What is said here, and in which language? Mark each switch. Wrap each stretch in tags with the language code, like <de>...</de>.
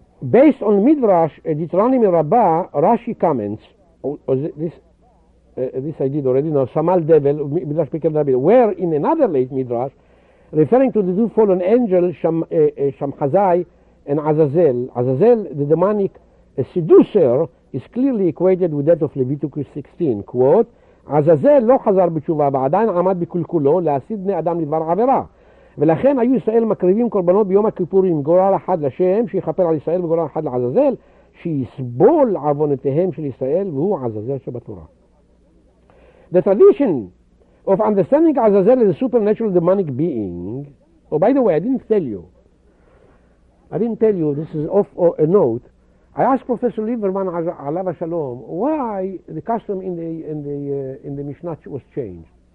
<en>Based on Midrash, Deuteronomy Rabbah, Rashi comments, this I did already, no, Samal Devil, Midrash Pirkei de Rabbi Eliezer, where in another late Midrash, referring to the two fallen angels, Shamchazai and Azazel. Azazel, the demonic seducer, is clearly equated with that of Leviticus 16.</en> <he>Quote, Azazel lo chazar b'tshuva, ועדיין עמד בקלקולו להסיד בני אדם לדבר עבירה. ולכן היו ישראל מקריבים קורבנות ביום הכיפורים, גורל אחד לשם, שיחפר על ישראל וגורל אחד לעזאזל, שיסבול עוונותיהם של ישראל, והוא עזאזל שבתורה.</he> <en>The tradition of understanding Azazel as a supernatural demonic being. Oh, by the way, I didn't tell you, this is off a note. I asked Professor Lieberman, Alav HaShalom, why the custom in the Mishnah was changed.</en>